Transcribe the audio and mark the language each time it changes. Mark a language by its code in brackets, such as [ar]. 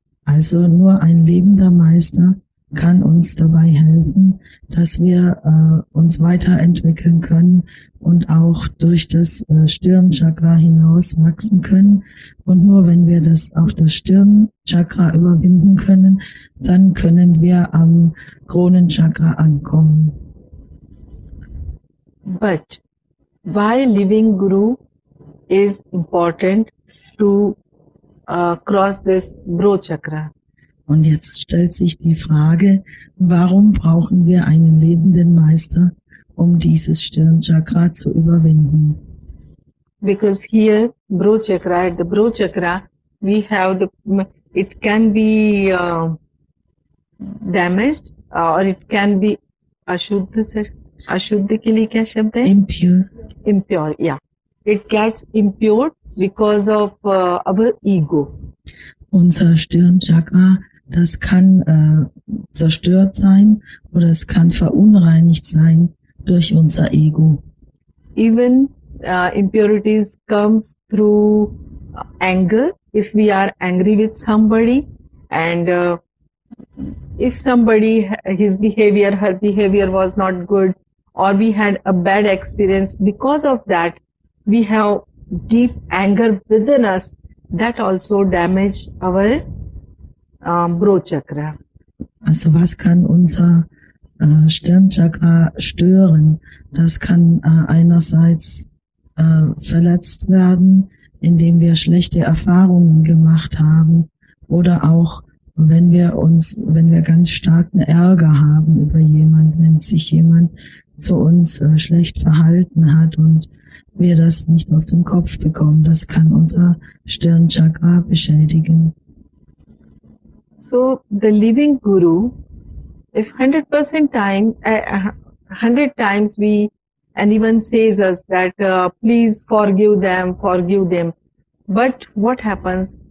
[de] Also nur ein lebender Meister kann uns dabei helfen, dass wir uns weiterentwickeln können und auch durch das Stirnchakra hinaus wachsen können. Und nur wenn wir das auch das Stirnchakra überwinden können, dann können wir am Kronenchakra ankommen. [en] But why living Guru is important to cross this Brochakra? [de] Und jetzt stellt sich die Frage, warum brauchen wir einen lebenden Meister, um dieses Stirnchakra zu überwinden? [en] Because here, Brochakra, at the Brochakra, we have the, it can be damaged, or it can be Ashuddha, sir. [hi] Ashuddha ke liye kya shabd hai? [en] Impure. Impure, yeah. It gets impure because of our ego. [de] Unser Stirnchakra, das kann zerstört sein oder es kann verunreinigt sein durch unser Ego. [en] Even impurities comes through anger. If we are angry with somebody and if somebody, his behavior, her behavior was not good, or we had a bad experience, because of that we have deep anger within us, that also damage our Brochakra. [de] Also was kann unser Stirnchakra stören? Das kann einerseits verletzt werden, indem wir schlechte Erfahrungen gemacht haben, oder auch wenn wir ganz starken Ärger haben über jemanden, wenn sich jemand zu uns schlecht verhalten hat und wir das nicht aus dem Kopf bekommen. Das kann unser Stirnchakra beschädigen. [en] So the living Guru, if 100% time, 100 times we, anyone says us that please forgive them, but what happens?